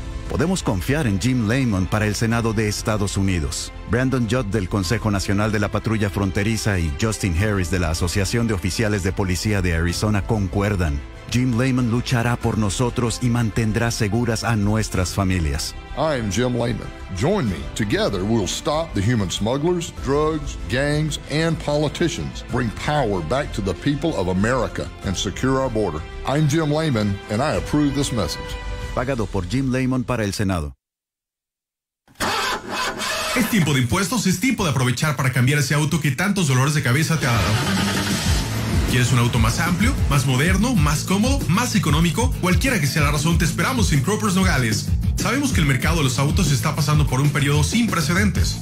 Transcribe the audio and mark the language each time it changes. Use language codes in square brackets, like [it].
[es] Podemos confiar en Jim Lehman para el Senado de Estados Unidos, Brandon Judd del Consejo Nacional de la Patrulla Fronteriza y Justin Harris de la Asociación de Oficiales de Policía de Arizona concuerdan. Jim Lehman luchará por nosotros y mantendrá seguras a nuestras familias. [en] I'm Jim Lehman. Join me. Together we'll stop the human smugglers, drugs, gangs, and politicians. Bring power back to the people of America and secure our border. I'm Jim Lehman, and I approve this message. [es] Pagado por Jim Lehman para el Senado. Es tiempo de impuestos, es tiempo de aprovechar para cambiar ese auto que tantos dolores de cabeza te ha dado. ¿Quieres un auto más amplio, más moderno, más cómodo, más económico? Cualquiera que sea la razón, te esperamos en Cropper's Nogales. Sabemos que el mercado de los autos está pasando por un periodo sin precedentes.